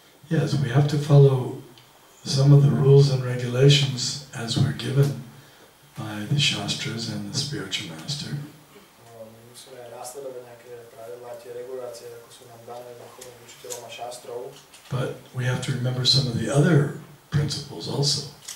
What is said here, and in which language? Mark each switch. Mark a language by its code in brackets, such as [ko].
[en] Yes, we have to follow some of the rules and regulations as we're given by the Shastras and the spiritual master. [sk] Musíme následovať nejaké pravidlá, tie regulácie, ako sú nám dané duchovným učiteľom a šástrov. [en] But we have to remember some of the other principles also.